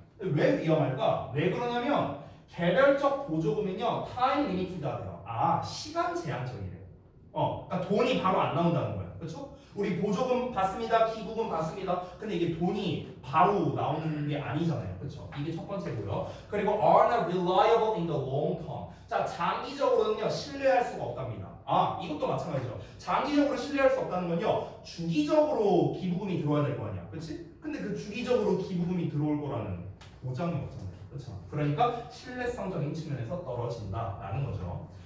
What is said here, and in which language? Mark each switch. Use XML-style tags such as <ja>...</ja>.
<ko>왜 위험할까? 왜 그러냐면 개별적 보조금은요, 타임 리미티드하대요. 아, 시간 제한적이래. 그러니까 돈이 바로 안 나온다는 거예요. 그렇죠? 우리 보조금 받습니다, 기부금 받습니다. 근데 이게 돈이 바로 나오는 게 아니잖아요. 그렇죠? 이게 첫 번째고요. 그리고</ko> <en>are not reliable in the long term.</en> <ko>자, 장기적으로는요, 신뢰할 수가 없답니다. 아, 이것도 마찬가지죠. 장기적으로 신뢰할 수 없다는 건요, 주기적으로 기부금이 들어와야 될 거 아니야. 그치? 근데 그 주기적으로 기부금이 들어올 거라는 보장이 없잖아요. 그쵸? 그러니까 신뢰성적인 측면에서 떨어진다라는 거죠.</ko>